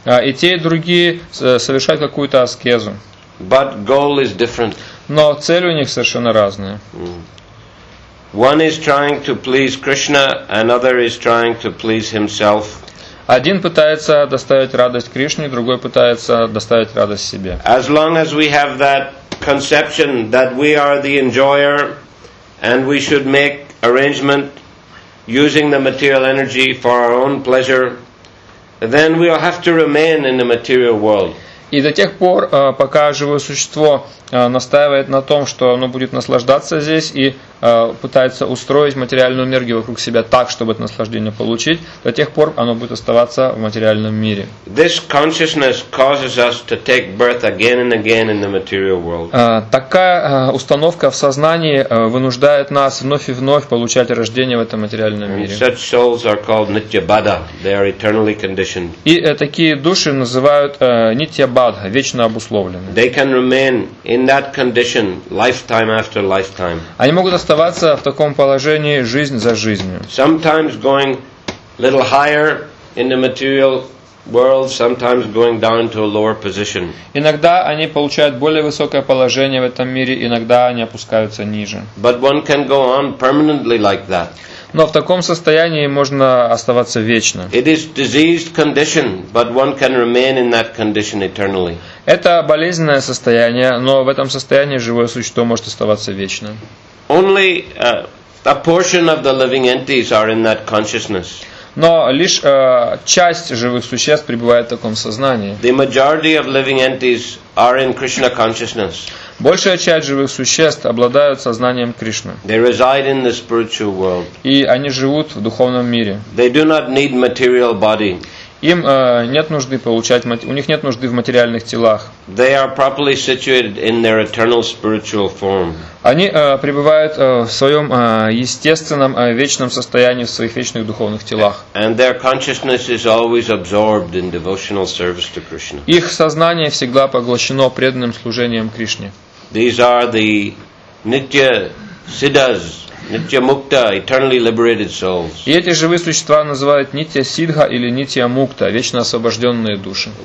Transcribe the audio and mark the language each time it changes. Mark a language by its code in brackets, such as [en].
[ru] И те, и другие совершают какую-то аскезу. [en] But goal is different. [ru] Но цель у них совершенно разная. [en] One is trying to please Krishna, another is trying to please himself. [ru] Один пытается доставить радость Кришне, другой пытается доставить радость себе. [en] As long as we have that conception that we are the enjoyer and we should make arrangement using the material energy for our own pleasure, then we will have to remain in the material world. [ru] И до тех пор, пока живое существо настаивает на том, что оно будет наслаждаться здесь и пытается устроить материальную энергию вокруг себя так, чтобы это наслаждение получить, до тех пор оно будет оставаться в материальном мире. [en] This consciousness causes us to take birth again and again in the material world. [ru] Такая установка в сознании вынуждает нас вновь и вновь получать рождение в этом материальном мире. [en] Such souls are called nityabada. They are eternally conditioned. [ru] И такие души называют нитья-бадха, вечно обусловленные. [en] They can remain in that condition lifetime after lifetime. [ru] Они могут оставаться в таком положении жизнь за жизнью. [en] Sometimes going a little higher in the material world, sometimes going down to a lower position. [ru] Иногда они получают более высокое положение в этом мире, иногда они опускаются ниже. [en] But one can go on permanently like that. [ru] Но в таком состоянии можно оставаться вечно. [en] It is diseased condition, but one can remain in that condition eternally. [ru] Это болезненное состояние, но в этом состоянии живое существо может оставаться вечно. [en] Only a portion of the living entities are in that consciousness. [ru] Но лишь часть живых существ пребывает в таком сознании. [en] The majority of living entities are in Krishna consciousness. [ru] Большая часть живых существ обладают сознанием Кришны. [en] They reside in the spiritual world. [ru] И они живут в духовном мире. [en] They do not need material body. [ru] Им нет нужды получать, у них нет нужды в материальных телах. [en] They are properly situated in their eternal spiritual form. [ru] Они пребывают в своем естественном вечном состоянии в своих вечных духовных телах. [en] And their consciousness is always absorbed in devotional service to Krishna. [ru] Их сознание всегда поглощено преданным служением Кришне. [en] These are the nitya siddhas. Нитья-мукта, eternally liberated souls. [ru] И эти живые существа называют нитья-сиддха или нитья-мукта, вечно освобожденные души.